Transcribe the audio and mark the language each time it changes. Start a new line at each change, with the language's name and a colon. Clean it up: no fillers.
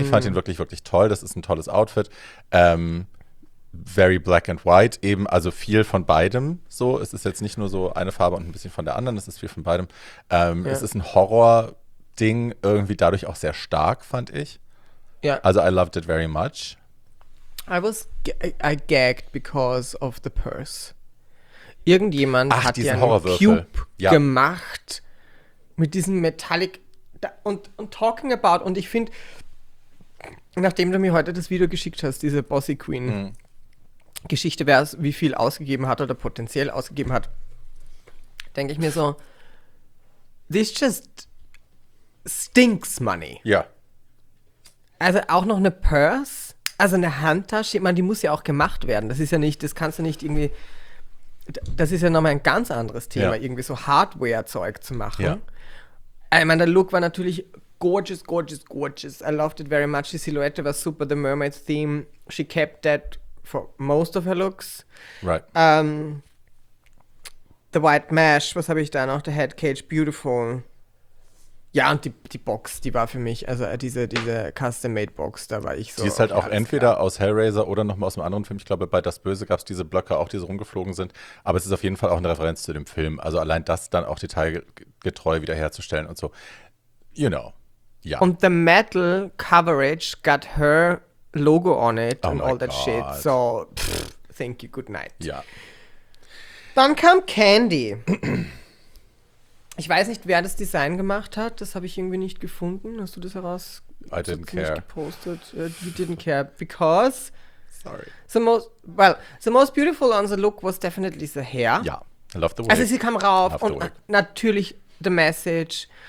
German: Ich fand den wirklich, wirklich toll. Das ist ein tolles Outfit.
English: Very black and white
German: eben, also viel von beidem so. Es ist jetzt nicht nur so eine Farbe und ein bisschen von der anderen, es ist viel von beidem. Ja. Es ist ein Horror- Ding irgendwie dadurch auch sehr stark, fand ich. Ja.
English: Also, I loved it very much. I gagged because of the purse.
German: Irgendjemand hat diesen Horrorwürfel Cube gemacht mit diesem Metallic und talking about, und ich finde, nachdem du mir heute das Video geschickt hast, diese Bossy Queen Geschichte, wer wie viel ausgegeben hat oder potenziell ausgegeben hat, denke ich mir so,
English: this just stinks money.
German: Ja. Also auch noch eine Purse, also eine Handtasche, ich meine, die muss ja auch gemacht werden. Das ist ja nicht, das kannst du nicht irgendwie, das ist ja nochmal ein ganz anderes Thema, ja, irgendwie so Hardware-Zeug zu machen. Ja. Ich meine, der Look war natürlich gorgeous, gorgeous, gorgeous.
English: I loved it very much.
German: Die Silhouette war super,
English: the mermaid theme. She kept that for most of her looks. Right. The white mesh,
German: was habe ich da noch?
English: The head cage, beautiful.
German: Ja, und die Box, die war für mich, also diese Custom-Made-Box, da war ich so. Die ist halt auch entweder klar aus Hellraiser oder nochmal aus einem anderen Film. Ich glaube, bei Das Böse gab es diese Blöcke auch, die so rumgeflogen sind. Aber es ist auf jeden Fall auch eine Referenz zu dem Film. Also allein das dann auch detailgetreu wiederherzustellen und so.
English: You know, ja. Und the metal coverage got her logo on it, oh, and all that God shit. So, thank you, good night.
German: Ja. Dann kam Candy. Ich weiß nicht, wer das Design gemacht hat. Das habe ich irgendwie nicht gefunden. Hast du das heraus?
English: I didn't care. Gepostet? You didn't care because. Sorry. The most beautiful on the look was definitely the hair. Ja, yeah. I love the wig.
German: Also sie kam rauf und natürlich
English: the message.